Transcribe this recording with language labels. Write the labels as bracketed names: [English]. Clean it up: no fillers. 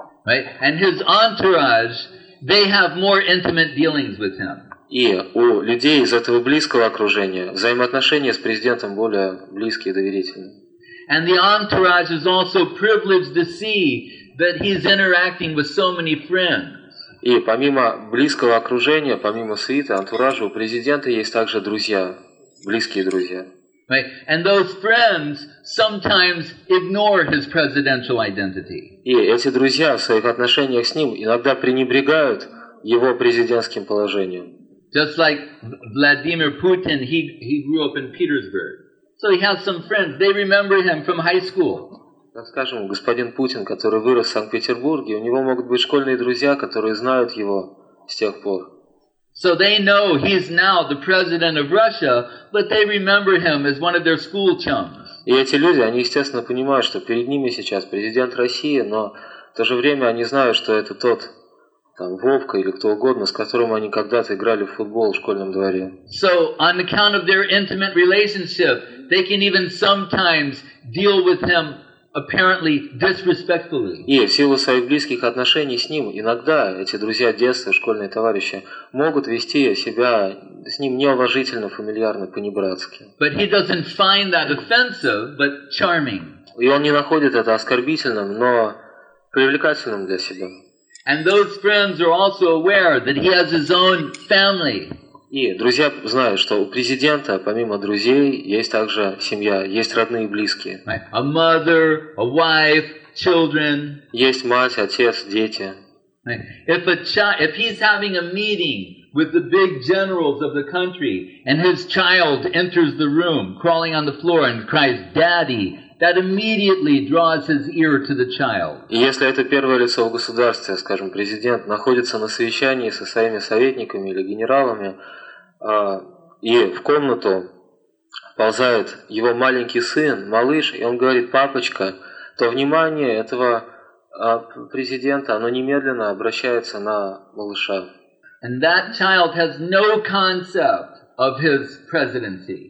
[English] Right? And his entourage, they have more intimate dealings with him. [Russian] И у людей из этого близкого окружения взаимоотношения с президентом более близкие и доверительные. [English] And the entourage is also privileged to see that he's interacting with so many friends. [Russian] И помимо близкого окружения, помимо свиты, антуража, у президента есть также друзья, близкие друзья. [English] Right. And those friends sometimes ignore his presidential identity. [Russian] И эти друзья в своих отношениях с ним иногда пренебрегают его президентским положением. [English] Just like Vladimir Putin, he grew up in Petersburg. So he has some friends. They remember him from high school. [Russian] Скажем, господин Путин, который вырос в Санкт-Петербурге, у него могут быть школьные друзья, которые знают его с тех пор. [English] So they know he's now the president of Russia, but they remember him as one of their school chums. [Russian] И эти люди, они, естественно, понимают, что перед ними сейчас президент России, но в то же время они знают, что это тот, там, Вовка или кто угодно, с которым они когда-то играли в футбол в школьном дворе. [English] So, on account of their intimate relationship, they can even sometimes deal with him apparently disrespectfully. [Russian] И в силу своих близких отношений с ним, иногда эти друзья детства, школьные товарищи, могут вести себя с ним неуважительно, фамильярно, по-небратски. [English] But he doesn't find that offensive, but charming. [Russian] И он не находит это оскорбительным, но привлекательным для себя. [English] And those friends are also aware that he has his own family. [Russian] И друзья знают, что у президента, помимо друзей, есть также семья, есть родные и близкие. [English] A mother, a wife, children. [Russian] Есть мать, отец, дети. [English] If he's having a meeting with the big generals of the country, and his child enters the room, crawling on the floor, and cries, "Daddy," that immediately draws his ear to the child. [Russian] Если это первое лицо в государстве, скажем, президент, находится на совещании со своими советниками или генералами, и в комнату ползает его маленький сын, малыш, и он говорит, папочка, то внимание этого президента, оно немедленно обращается на малыша. [English] And that child has no concept of his presidency.